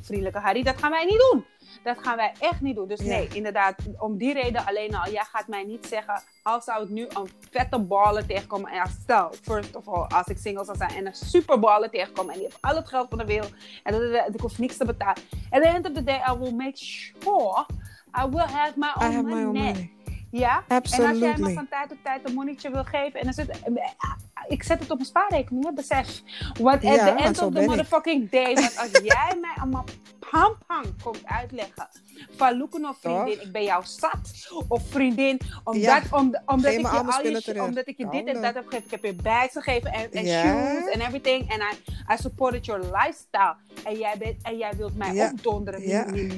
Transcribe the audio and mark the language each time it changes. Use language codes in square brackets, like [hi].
[nl] Vriendelijke Harry, dat gaan wij niet doen. Dat gaan wij echt niet doen. Dus nee, inderdaad, om die reden alleen al. Jij gaat mij niet zeggen, al zou ik nu een vette baller tegenkomen. En ja, stel, [en] first of all, [nl] als ik single zou zijn en een super baller tegenkomen. En die heeft al het geld van de wereld. En ik hoef niks te betalen. [en] At the end of the day, I will make sure I will have my own money. [nl] Ja? [en] Absolutely. [nl] En als jij me van tijd tot tijd een monnetje wil geven. En dan zit ik zet het op mijn spaarrekening, hè? Besef. [en] What at the end of the motherfucking day. [nl] Want als jij mij allemaal pam-pam komt uitleggen. Van Loeken of vriendin, ik ben jou zat. Of vriendin, omdat ik je dit en dat heb gegeven. Ik heb je bags gegeven en shoes en everything. En [en] I supported your lifestyle. [nl] En jij wilt mij opdonderen.